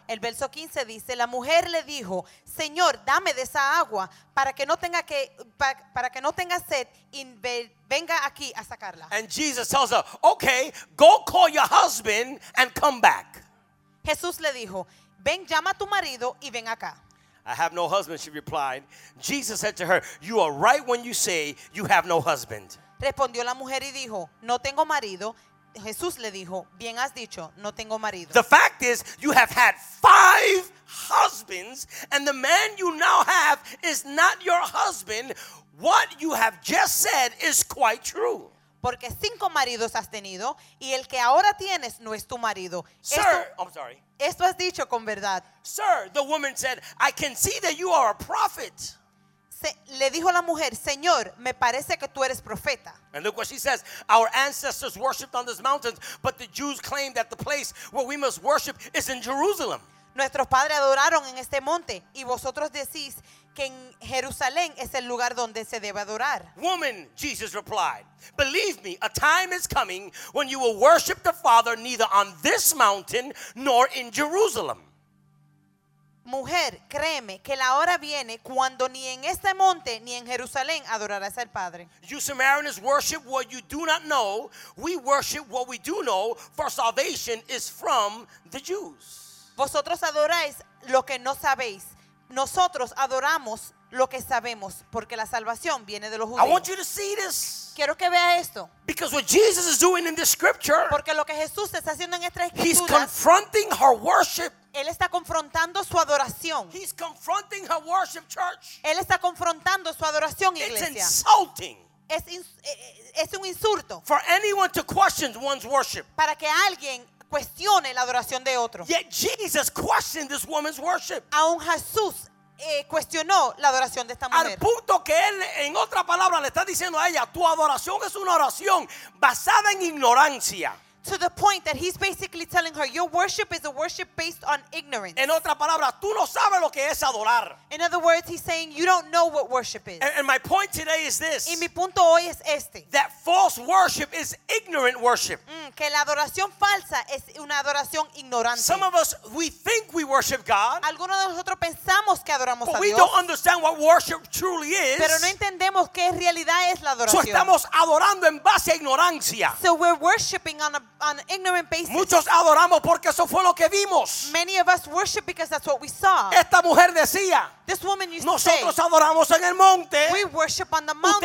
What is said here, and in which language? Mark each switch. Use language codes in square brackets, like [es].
[es] El verso 15 dice, la mujer le dijo, "Señor, dame de esa agua para que no tenga sed y venga aquí a sacarla." [en] And Jesus tells her, "Okay, go call your husband and come back." [es] Jesús le dijo, "Ven, llama a tu marido y ven acá." [en] "I have no husband," she replied. Jesus said to her, "You are right when you say you have no husband." [es] Respondió la mujer y dijo, "No tengo marido." Jesús le dijo, "Bien has dicho, no tengo marido." [en] "The fact is, you have had five husbands, and the man you now have is not your husband. What you have just said is quite true." [es] Porque cinco maridos has tenido, y el que ahora tienes no es tu marido. [en] "Sir," I'm sorry. [es] Esto has dicho con verdad. [en] "Sir," the woman said, "I can see that you are a prophet." [es] Le dijo la mujer, Señor, me parece que tú eres profeta. [en] And look what she says. Our ancestors worshipped on this mountain, but the Jews claim that the place where we must worship is in Jerusalem. [es] Nuestros padres adoraron en este monte, y vosotros decís que en Jerusalén es el lugar donde se debe adorar. [en] Woman, Jesus replied, believe me, a time is coming when you will worship the Father neither on this mountain nor in Jerusalem. [es] Mujer, créeme que la hora viene cuando ni en este monte ni en Jerusalén adorarás al Padre. [en] You Samaritans worship what you do not know. We worship what we do know, for salvation is from the Jews. [es] Vosotros adoráis lo que no sabéis. Nosotros adoramos lo que sabemos, porque la salvación viene de los judíos. [en] I want you to see this. [es] Quiero que vea esto. [en] Because what Jesus is doing in this scripture, [es] porque lo que Jesús está haciendo en estas escrituras, [en] he's confronting her worship. [es] Él está confrontando su adoración. [en] He's confronting her worship, church. [es] Él está confrontando su adoración, iglesia. [en] It's insulting. [es] Es un insulto. [en] For anyone to question one's worship. [es] Para que alguien cuestione la adoración de otro. [en] Yet Jesus questioned this woman's worship. [es] Aún Jesús cuestionó la adoración de esta mujer. Al punto que él, en otra palabra, le está diciendo a ella, tu adoración es una oración basada en ignorancia. [en] To the point that he's basically telling her, your worship is a worship based on ignorance. [es] En otra palabra, tú no sabes lo que es adorar. [en] In other words, he's saying, you don't know what worship is. And my point today is this. [es] Y mi punto hoy es este. [en] That false worship is ignorant worship. [es] Que la adoración falsa es una adoración ignorante. [en] Some of us, we think we worship God. [es] Algunos de nosotros pensamos que adoramos a [en] But we don't understand what worship truly is. [es] Pero no entendemos qué realidad es la adoración. So estamos adorando en base a ignorancia. [en] So we're worshiping on ignorant basis. [es] Muchos adoramos porque eso fue lo que vimos. [en] Many of us worship because that's what we saw. [es] Esta mujer decía, [en] this woman used [es] nosotros [en] to say, [es] adoramos en el monte. [en] We worship on the mountain.